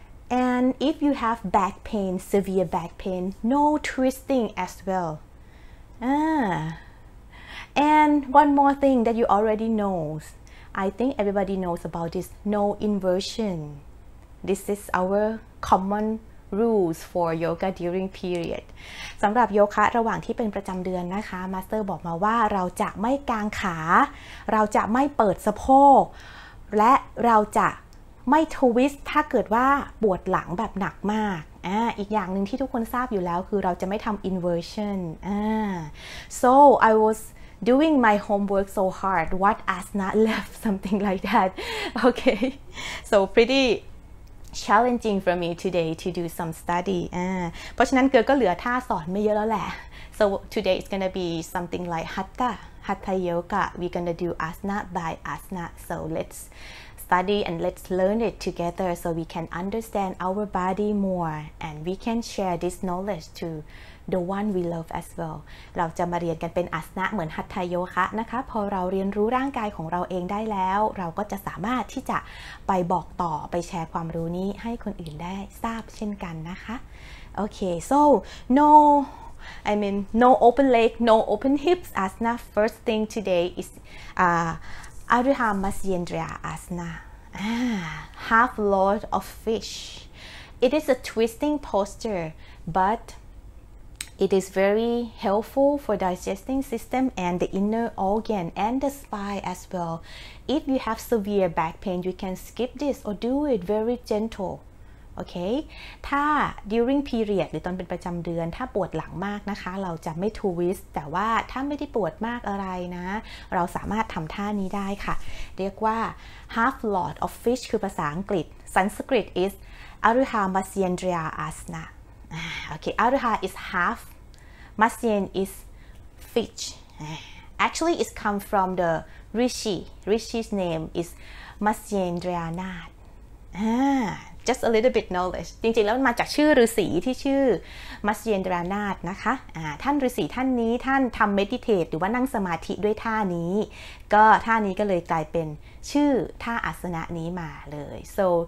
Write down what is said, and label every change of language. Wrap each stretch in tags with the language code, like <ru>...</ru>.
<en>And if you have back pain, severe back pain, no twisting as well. And one more thing that you already knows, I think everybody knows about this, no inversion. This is our common rules for yoga during period.</en> <th>สำหรับโยคะระหว่างที่เป็นประจำเดือนนะคะ Master บอกมาว่าเราจะไม่กางขาเราจะไม่เปิดสะโพกและเราจะไม่ทวิสต์ถ้าเกิดว่าปวดหลังแบบหนักมากอีกอย่างนึงที่ทุกคนทราบอยู่แล้วคือเราจะไม่ทำ inversion.</th> <en>So I wasDoing my homework so hard, what asana left, something like that. Okay, so pretty challenging for me today to do some study.</en> <th>เพราะฉะนั้นเกอก็เหลือท่าสอนไม่เยอะแล้วแหละ</th> <en>So today it's gonna be something like Hatha, Hatha Yoga. We're gonna do asana by asana. So let's study and let's learn it together so we can understand our body more and we can share this knowledge toThe one we love as well.</en> <th>เราจะมาเรียนกันเป็นอาสนะเหมือนหัตถโยคะนะคะพอเราเรียนรู้ร่างกายของเราเองได้แล้วเราก็จะสามารถที่จะ ไปบอกต่อไปแชร์ความรู้นี้ให้คนอื่นได้ทราบเช่นกันนะคะโอเค</th> <en>so no I mean no open leg no open hips asana first thing today is Ariha Masyendra asana half lord of fish it is a twisting posture butIt is very helpful for digesting system and the inner organ and the spine as well. If you have severe back pain, you can skip this or do it very gentle. Okay?</en> <th>ถ้า during period หรือตอนเป็นประจำเดือนถ้าปวดหลังมากนะคะเราจะไม่ twist แต่ว่าถ้าไม่ได้ปวดมากอะไรนะเราสามารถทำท่านี้ได้ค่ะเรียกว่า half lord of fish คือภาษาอังกฤษ</th> <en>Sanskrit is Ariha Masyendra Asana. Okay, Ariha is half, Masyen is fish. Actually, it's come from the Rishi. Rishi's name is Masyendranath. just a little bit knowledge</en> <th>จริงๆแล้วมันมาจากชื่อฤาษีที่ชื่อมัชเยนดรานาถนะคะท่านฤาษีท่านนี้ท่านทำเมดิเทตหรือว่านั่งสมาธิด้วยท่านี้ก็ท่านี้ก็เลยกลายเป็นชื่อท่าอาสนะนี้มาเลย so</th>